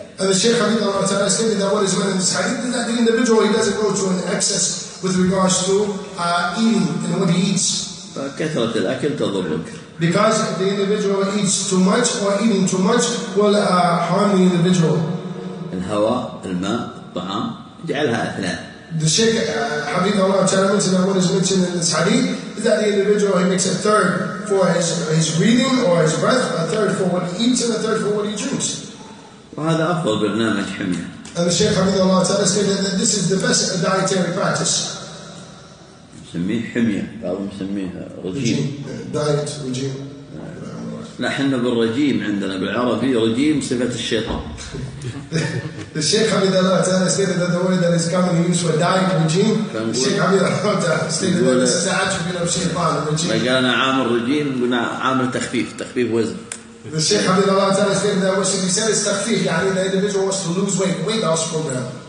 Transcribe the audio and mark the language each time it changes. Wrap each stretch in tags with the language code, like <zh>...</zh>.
<ar>الشيخ حفظه الله تعالى</ar> <en>said that what is meant in this hadith is that the individual he doesn't go to an excess with regards to eating and what he eats.</en> <ar>فكثرة الأكل تضرك.</ar> <en>Because if the individual eats too much or eating too much will harm the individual.</en> <ar>الهواء الماء الطعام اجعلها أثنان.</ar> <en>The Shaykh Habib Allah Ta'ala mentioned that what is mentioned in this hadith is that the individual he makes a third for his breathing or his breath, a third for what he eats, and a third for what he drinks.</en> <ar>وهذا أفضل برنامج حمية.</ar> <en>And the Shaykh Habib Allah Ta'ala said that this is the best dietary practice.</en> <ar>نسميه حمية، بعضهم يسميها رجيم.</ar> <en>Diet regime.</en> <ar>نحن بالرجيم عندنا بالعربي رجيم صفة الشيطان.</ar> <en>The Shaykh Habib Allah Ta'ala stated that the word that is commonly used for diet regime, the Shaykh Habib Allah Ta'ala stated that this is the attribute of Shaytan, regime.</en> <ar>قالنا عامل رجيم قلنا عامل تخفيف، تخفيف وزن.</ar> <en>The Shaykh Habib Allah Ta'ala stated that what should be said is</en> <ar>تخفيف، يعني</ar> <en>the individual wants to lose weight, weight loss program.</en>